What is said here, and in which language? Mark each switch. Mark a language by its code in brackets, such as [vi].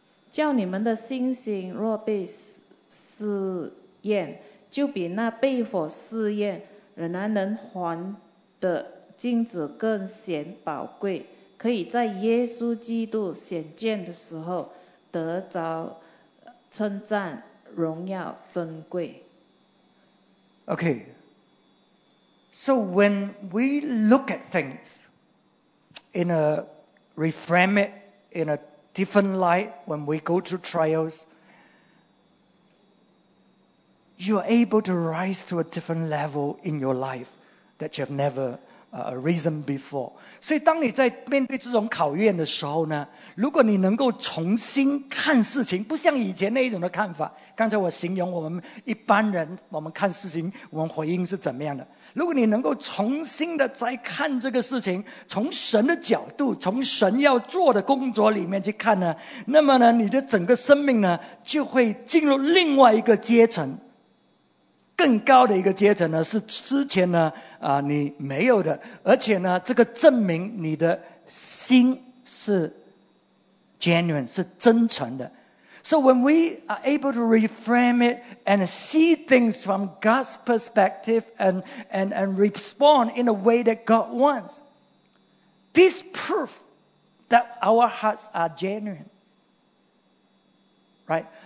[zh] 叫你们的信心若被试验，就比那被火试验仍然能还的金子更显宝贵，可以在耶稣基督显见的时候得着称赞、荣耀、尊贵。 [en] Okay, so when we look at things in a reframe it in a different light, when we go through trials, you are able to rise to a different level in your life that you have never a reason before. [zh] 所以当你在面对这种考验的时候呢，如果你能够重新看事情，不像以前那一种的看法，刚才我形容我们一般人，我们看事情，我们回应是怎么样的，如果你能够重新的再看这个事情，从神的角度，从神要做的工作里面去看呢，那么呢，你的整个生命呢，就会进入另外一个阶层，更高的一个阶层呢，是之前呢你没有的，而且呢这个证明你的心是 genuine, 是真诚的。 [en] So when we are able to reframe it and see things from God's perspective and respond in a way that God wants, this proof that our hearts are genuine, right?